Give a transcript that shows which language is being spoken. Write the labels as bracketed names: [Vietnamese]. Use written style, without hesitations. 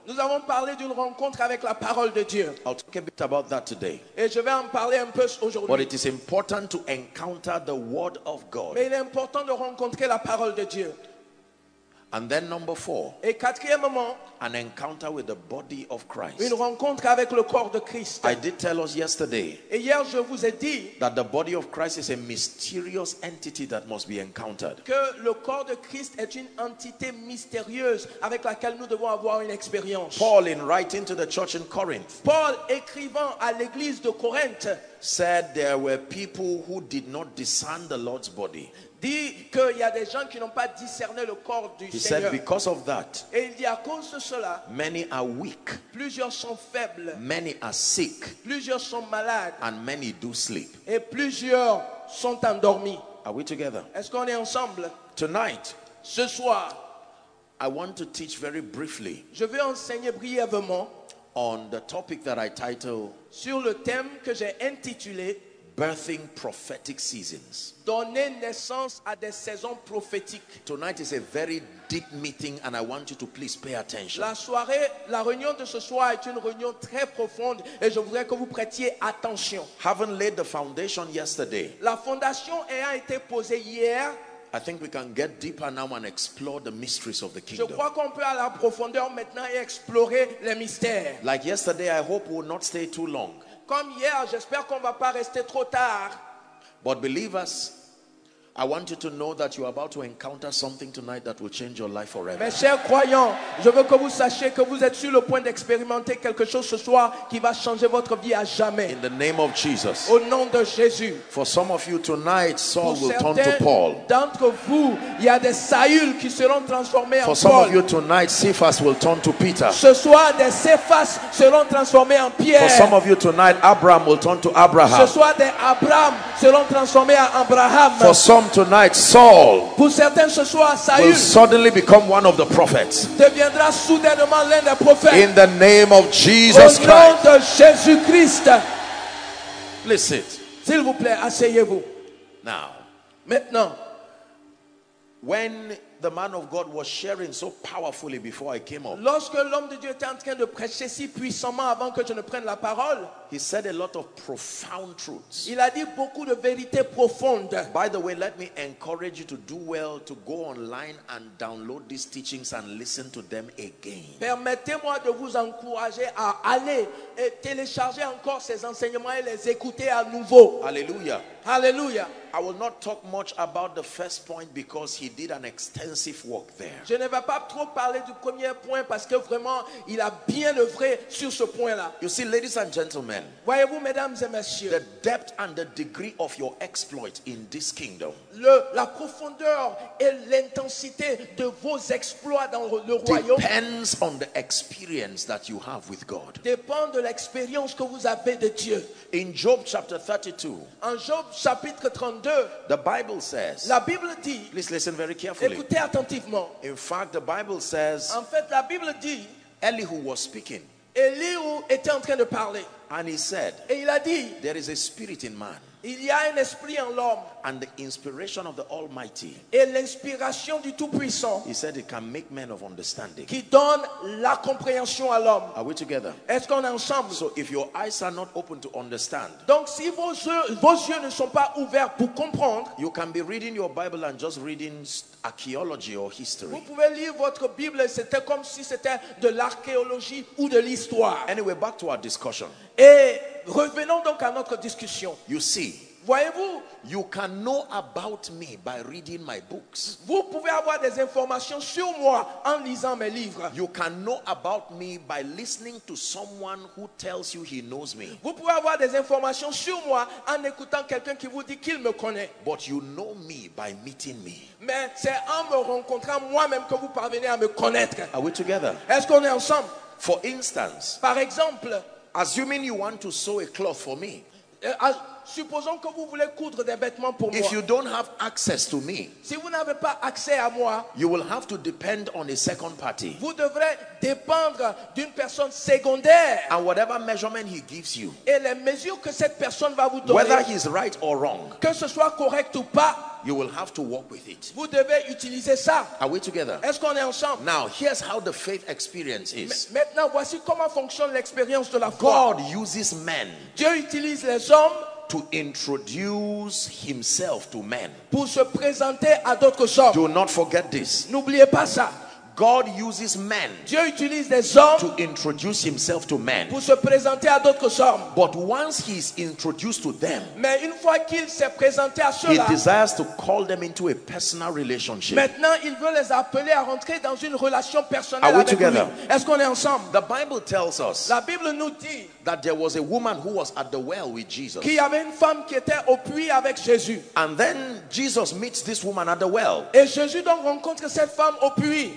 [French] Nous avons parlé d'une rencontre avec la parole de Dieu. [English] I'll talk a bit about that today. [French] Et je vais en parler un peu aujourd'hui. [English] But it is important to encounter the Word of God. [French] Mais il est important de rencontrer la parole de Dieu. [English] And then number four. [French] Et quatrièmement, [English] an encounter with the body of Christ. [French] Une rencontre avec le corps de Christ. [English] I did tell us yesterday. [French] Et hier je vous ai dit [English] that the body of Christ is a mysterious entity that must be encountered. [French] Que le corps de Christ est une entité mystérieuse avec laquelle nous devons avoir une expérience. [English] Paul, in writing to the church in Corinth. [French] Paul écrivant à l'église de Corinthe, [English] said there were people who did not discern the Lord's body. [French] Dit qu'il y a des gens qui n'ont pas discerné le corps du [English] He [French] Seigneur. [English] Said, because of that, [French] et il dit à cause de cela, [English] many are weak, [French] plusieurs sont faibles, [English] many are sick, [French] plusieurs sont malades, [English] and many do sleep. [French] Et plusieurs sont endormis. [English] Are we together? [French] Est-ce qu'on est ensemble? [English] Tonight, [French] ce soir, [English] I want to teach very briefly, [French] je veux enseigner brièvement [English] on the topic that I titled, [French] sur le thème que j'ai intitulé [English] Birthing prophetic seasons. [French] Donner naissance à des saisons prophétiques. [English] Tonight is a very deep meeting and I want you to please pay attention. [French] La soirée, la réunion de ce soir est une réunion très profonde et je voudrais que vous prêtiez attention. [English] Haven't laid the foundation yesterday. [French] La fondation ayant été posée hier, [English] I think we can get deeper now and explore the mysteries of the kingdom. [French] Je crois qu'on peut aller en profondeur maintenant et explorer les mystères. [English] Like yesterday, I hope we will not stay too long. [French] Comme hier, j'espère qu'on va pas rester trop tard. [English] But believers, I want you to know that you are about to encounter something tonight that will change your life forever. [French] Mes chers croyants, je veux que vous sachiez que vous êtes sur le point d'expérimenter quelque chose ce soir qui va changer votre vie à jamais. [English] In the name of Jesus. [French] Au nom de Jésus. [English] For some of you tonight, Saul will turn to Paul. [French] D'entre vous, il y a des Saül qui seront transformés en Paul. [English] For some of you tonight, Cephas will turn to Peter. [French] Ce soir, des Cephas seront transformés en Pierre. [English] For some of you tonight, Abraham will turn to Abraham. [French] Ce soir, des Abraham seront transformés en Abraham. [English] For some tonight, Saul, [French] pour certains, ce soir, Saül [English] will suddenly become one of the prophets. [French] Deviendra soudainement l'un des prophètes. [English] In the name of Jesus Christ. [French] Au nom de Jésus Christ. [English] Please sit. [French] S'il vous plaît, asseyez-vous. [English] Now, [French] maintenant, [English] when the man of God was sharing so powerfully before I came up, [French] lorsque l'homme de Dieu était en train de prêcher si puissamment avant que je ne prenne la parole, [English] he said a lot of profound truths. [French] Il a dit beaucoup de vérités profondes. [English] By the way, let me encourage you to do well to go online and download these teachings and listen to them again. [French] Permettez-moi de vous encourager à aller et télécharger encore ces enseignements et les écouter à nouveau. Alléluia. [English] Hallelujah. I will not talk much about the first point because he did an extensive work there. [French] Je ne vais pas trop parler du premier point parce que vraiment il a bien œuvré sur ce point-là. [English] You see, ladies and gentlemen, [French] voyez-vous, mesdames et messieurs, [English] the depth and the degree of your exploit in this kingdom. [French] La profondeur et l'intensité de vos exploits dans le royaume [English] depends on the experience that you have with God. [French] Dépend de l'expérience que vous avez de Dieu. [English] In Job chapter 32. [French] En Job chapitre 32. [English] The Bible says. [French] La Bible dit. [English] Please listen very carefully. [French] Écoutez attentivement. [English] In fact, the Bible says. [French] En fait, la Bible dit. [English] Elihu was speaking. [French] Elihu était en train de parler. [English] And he said. [French] Et il a dit. [English] There is a spirit in man. [French] Il y a un esprit en l'homme. [English] And the inspiration of the Almighty. [French] Et l'inspiration du Tout-Puissant. [English] He said it can make men of understanding. [French] Qui donne la compréhension à l'homme. [English] Are we together? [French] Est-ce qu'on est ensemble? [English] So if your eyes are not open to understand. [French] Donc si vos yeux ne sont pas ouverts pour comprendre. [English] You can be reading your Bible and just reading archaeology or history. [French] Vous pouvez lire votre Bible, c'était comme si c'était de l'archéologie ou de l'histoire. [English] Anyway, back to our discussion. [French] Et revenons donc à notre discussion. [English] You see, [French] voyez-vous, [English] you can know about me by reading my books. [French] Vous pouvez avoir des informations sur moi en lisant mes livres. [English] You can know about me by listening to someone who tells you he knows me. [French] Vous pouvez avoir des informations sur moi en écoutant quelqu'un qui vous dit qu'il me connaît. [English] But you know me by meeting me. [French] Mais c'est en me rencontrant moi-même que vous parvenez à me connaître. [English] Are we together? [French] Est-ce qu'on est ensemble? [English] For instance, [French] par exemple, [English] assuming you want to sew a cloth for me. [French] Supposons que vous voulez coudre des vêtements pour moi. [English] If you don't have access to me, [French] si vous n'avez pas accès à moi, [English] you will have to depend on a second party. [French] Vous devrez dépendre d'une personne secondaire. [English] And whatever measurement he gives you, [French] et les mesures que cette personne va vous donner, [English] whether he's right or wrong, [French] que ce soit correct ou pas, [English] you will have to work with it. [French] Vous devez utiliser ça. [English] Are we together? [French] Est-ce qu'on est ensemble? [English] Now, here's how the faith experience is. [French] Maintenant, voici comment fonctionne l'expérience de la foi. [English] God uses men. [French] Dieu utilise les hommes. [English] To introduce himself to men. [French] Pour se présenter à d'autres hommes. [English] Do not forget this. [French] N'oubliez pas ça. [English] God uses men. [French] Dieu utilise des hommes. [English] To introduce himself to men. [French] Pour se présenter à d'autres hommes. [English] But once he is introduced to them. [French] Mais une fois qu'il s'est présenté à ceux-là. [English] He desires to call them into a personal relationship. [French] Maintenant, il veut les appeler à rentrer dans une relation personnelle. [English] Are we [French] avec [English] together? [French] Lui. Est-ce qu'on est ensemble? [English] The Bible tells us. [French] La Bible nous dit. [English] That there was a woman who was at the well with Jesus. [French] Qu'il y avait une femme qui était au puits avec Jésus. [English] And then Jesus meets this woman at the well. [French] Et Jésus donc rencontre cette femme au puits.